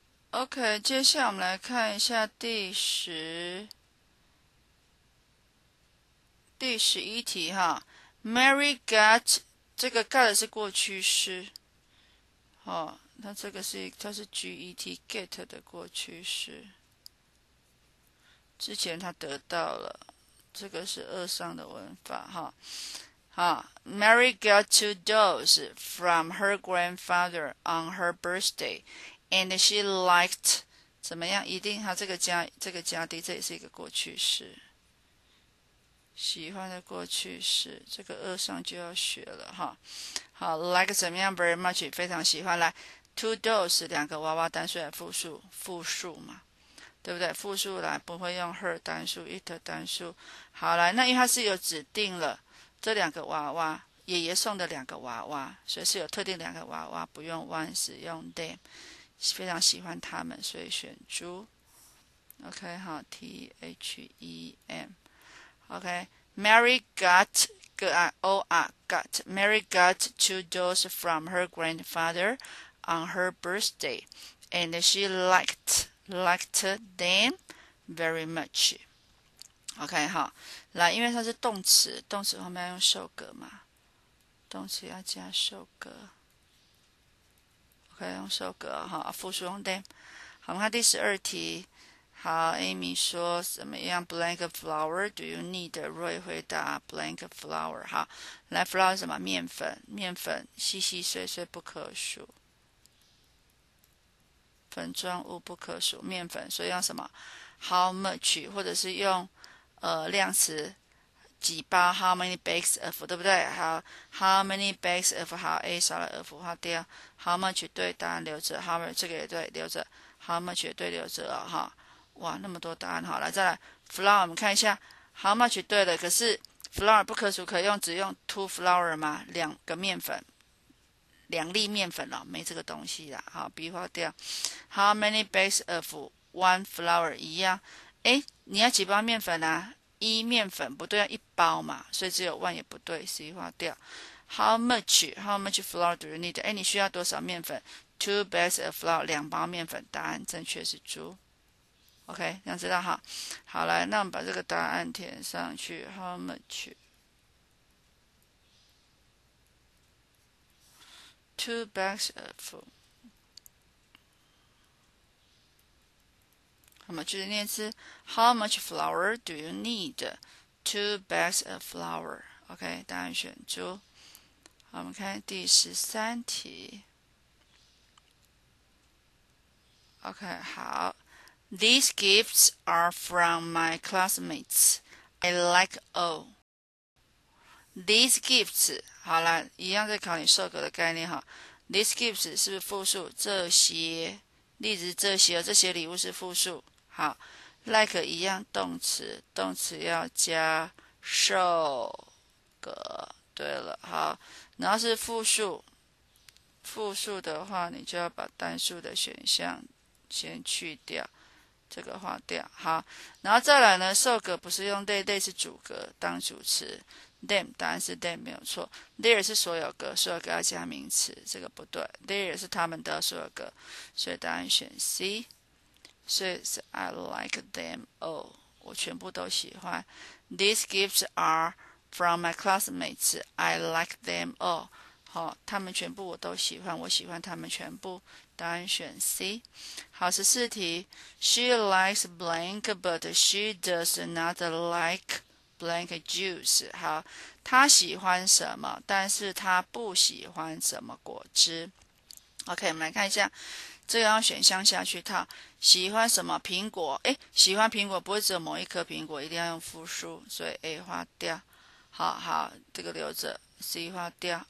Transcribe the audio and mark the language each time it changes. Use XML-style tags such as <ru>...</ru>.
<zh>OK，接下来我们来看一下第十一题哈。</zh> <en>Mary got</en> <zh>这个 got 是过去式，哦，那这个是它是 get get 的过去式，之前他得到了，这个是二上的文法哈。</zh> <en>好，Mary got two dolls from her grandfather on her birthday。 And she liked</en> <zh>怎么样？一定哈，这个家底，这也是一个过去式，喜欢的过去式，这个二上就要学了哈。好，like 怎么样？</zh> <en>Very much</en> <zh>非常喜欢。来，</zh> <en>two dolls</en> <zh>两个娃娃单数还复数？复数嘛，对不对？复数来，不会用 her 单数，it 单数。好来，那因为它是有指定了，这两个娃娃，爷爷送的两个娃娃，所以是有特定两个娃娃，不用 ones，用 them。非常喜欢他们，所以选猪。</zh> <en>OK，好，them。 OK，Mary got Mary got two dolls from her grandfather on her birthday, and she liked them very much.</en> <zh>OK，好，来，因为它是动词，动词后面要用受格嘛，动词要加受格。可以用收割哈，复数用 them。好，我们看第十二题。</zh> <en>好，Amy 说怎么样？Blank flour do you need？ Roy 回答 Blank flour。</en> <zh>好，来 flour 是什么？面粉，面粉细细碎碎不可数，粉状物不可数，面粉。所以用什么？</zh> <en>How much？</en> <zh>或者是用量词。</zh> <en>几包？How many bags of？</en> <zh>对不对？好，</zh> <en>How many bags of？</en> <zh>好，A 少了 of，划掉。</zh> <en>How much？</en> <zh>对，答案留着。How much？ 这个也对，留着。How much？也对，留着了哈。哇，那么多答案，好来，再来。Flour，我们看一下，</zh> <en>How much？</en> <zh>对了，可是 flour 不可数，可用只用</zh> <en>two flour</en> <zh>吗？两个面粉，两粒面粉了，没这个东西了。好，B 划掉。</zh> <en>How many bags of？ One flour</en> <zh>一样。诶，你要几包面粉啊？一面粉不对，要一包嘛，所以只有 one 也不对，C 划掉。</zh> <en>How much flour do you need？</en> <zh>哎，你需要多少面粉？</zh> <en>Two bags of flour，</en> <zh>两包面粉。答案正确是猪。OK，这样知道哈。好来，那我们把这个答案填上去。</zh> <en>How much？ Two bags of。</en> <zh>那么就是念词，</zh> <en>How much flour do you need? Two bags of flour. OK，</en> <zh>答案选猪。好，我们看第十三题。</zh> <en>OK，好，These gifts are from my classmates. I like all. These gifts，</en> <zh>好了，一样在考你授课的概念哈。</zh> <en>These gifts</en> <zh>是不是复数？这些，例子这些，这些礼物是复数。好，like 一样动词，动词要加受格。对了，好，然后是复数，复数的话，你就要把单数的选项先去掉，这个划掉。好，然后再来呢，受格不是用 they 是主格当主词，them 答案是 them 没有错，there 是所有格，所有格要加名词，这个不对，there 是他们的所有格，所以答案选 C。所以是</zh> <en>I like them all，</en> <zh>我全部都喜欢。</zh> <en>These gifts are from my classmates. I like them all。</en> <zh>好，他们全部我都喜欢，我喜欢他们全部。答案选 C。好，十四题。</zh> <en>She likes blank, but she does not like blank juice。</en> <zh>好，她喜欢什么？但是她不喜欢什么果汁？OK，我们来看一下。这个要选项下去套，喜欢什么苹果？诶，喜欢苹果不会只有某一颗苹果，一定要用复数，所以 A 划掉。好好，这个留着，C 划掉。</zh>